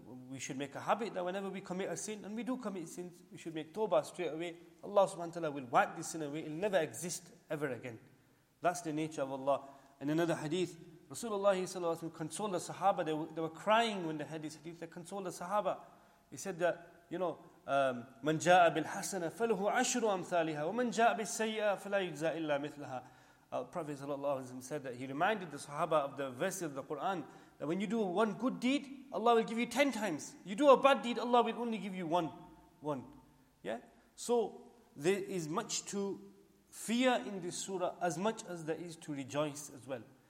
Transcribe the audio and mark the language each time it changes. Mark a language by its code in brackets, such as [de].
[en] We should make a habit that whenever we commit a sin, and we do commit sins, we should make tawbah straight away. Allah subhanahu wa ta'ala will wipe this sin away. It will never exist ever again. That's the nature of Allah. And another hadith, Rasulullah sallallahu alayhi wa sallam consoled the Sahaba. They were crying when they heard this hadith. They consoled the Sahaba. He said that, you know, [ar] مَنْ جَاءَ بِالْحَسَنَةِ فَلَهُ عَشْرُ أَمْثَالِهَا وَمَنْ جَاءَ بِالسَّيِّئَةِ فَلَا يُجْزَى إِلَّا مِثْلَهَا [en] Prophet sallallahu alaihi wasallam said that he reminded the Sahaba of the verse of the Quran that when you do one good deed, Allah will give you 10 times. You do a bad deed, Allah will only give you one. Yeah. So there is much to fear in this surah as much as there is to rejoice as well.